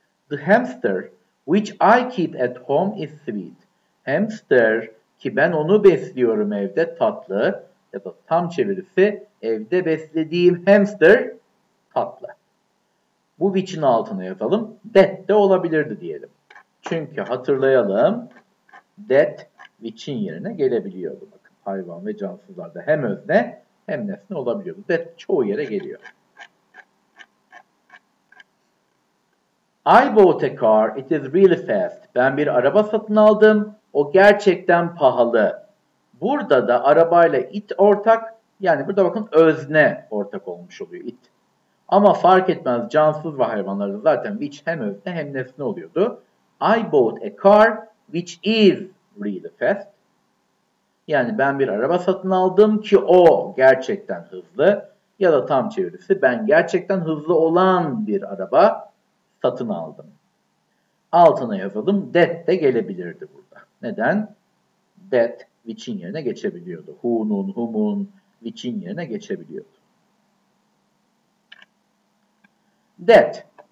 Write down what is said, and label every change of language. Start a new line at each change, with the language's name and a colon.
English: The hamster which I keep at home is sweet.
Turkish: Hamster ki ben onu besliyorum evde tatlı. Ya da tam çevirisi evde beslediğim hamster tatlı. Bu which'in altına yazalım. That de olabilirdi diyelim. Çünkü hatırlayalım. That which'in yerine gelebiliyordu. Bakın hayvan ve cansızlarda hem özne hem nesne olabiliyordu. That çoğu yere geliyor.
English: I bought a car. It is really fast.
Turkish: Ben bir araba satın aldım. O gerçekten pahalı. Burada da arabayla it ortak. Yani burada bakın özne ortak olmuş oluyor it. Ama fark etmez cansız ve hayvanlarda zaten which hem özne hem nesne oluyordu.
English: I bought a car which is really fast.
Turkish: Yani ben bir araba satın aldım ki o gerçekten hızlı. Ya da tam çevirisi ben gerçekten hızlı olan bir araba satın aldım. Altına yazalım. That de gelebilirdi burada. Neden? That which'in yerine geçebiliyordu. Who'nun, whom'un, which'in yerine geçebiliyordu. That